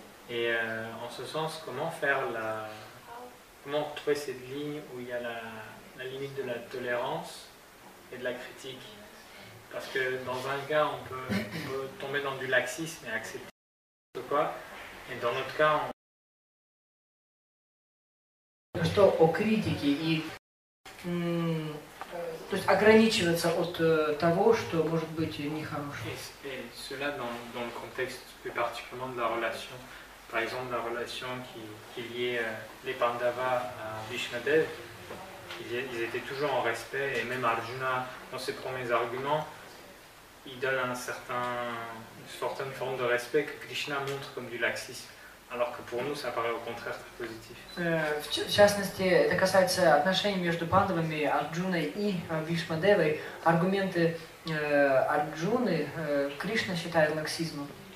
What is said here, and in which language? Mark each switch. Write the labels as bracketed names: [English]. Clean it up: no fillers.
[French] Et en ce sens, comment faire la, comment trouver cette ligne où il y a la, la limite de la tolérance et de la critique? Parce que dans un cas, on peut tomber dans du laxisme et accepter n'importe quoi, et dans notre cas, on... [Russian] Ну что, о критике и, то есть ограничиваться от того, что может быть нехорошо. [French] Et cela dans, dans le contexte plus particulièrement de la relation. Par exemple, la relation qui liait les Pandavas à Bhishma Dev, ils étaient toujours en respect, et même Arjuna, dans ses premiers arguments, il donne un certain, une certaine forme de respect que Krishna montre comme du laxisme. Alors que pour nous, ça paraît au contraire très positif. [Russian] В частности, это касается отношений между Пандавами, Арджуной и Бхишма Девой. Аргументы Арджуны Кришна считает лаксизмом.